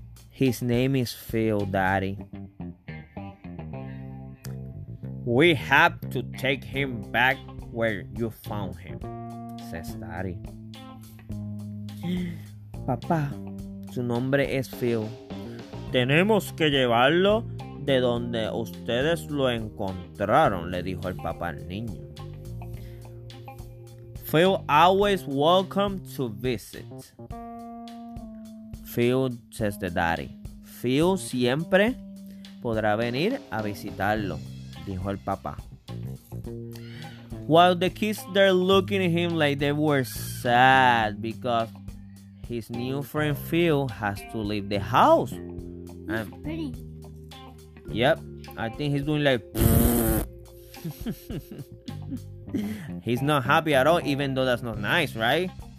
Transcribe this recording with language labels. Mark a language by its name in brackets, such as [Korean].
[English] His name is Phil, daddy. We have to take him back where you found him, says daddy. [Spanish] Papá, su nombre es Phil. Tenemos que llevarlo de donde ustedes lo encontraron, le dijo el papá al niño. [English] Phil always welcome to visit. Phil, says the daddy. [Spanish] Phil siempre podrá venir a visitarlo, dijo el papá. [English] While the kids they're looking at him like they were sad because his new friend Phil has to leave the house. And he's pretty. Yep, I think he's doing like he's not happy at all, even though that's not nice, right?